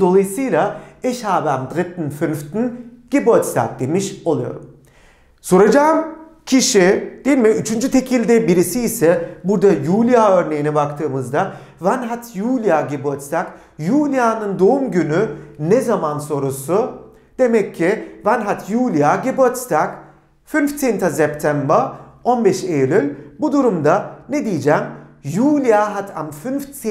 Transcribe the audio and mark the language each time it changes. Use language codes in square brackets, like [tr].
[tr] Dolayısıyla [de] ich habe am 3. 5. Geburtstag [tr] demiş oluyorum. Soracağım kişi, değil mi? Üçüncü tekilde birisi ise burada Julia örneğine baktığımızda [de] wann hat Julia Geburtstag? [tr] Julia'nın doğum günü ne zaman sorusu? Demek ki [de] wann hat Julia Geburtstag? 15. September, [tr] 15 Eylül. Bu durumda ne diyeceğim? [de] Julia hat am 15.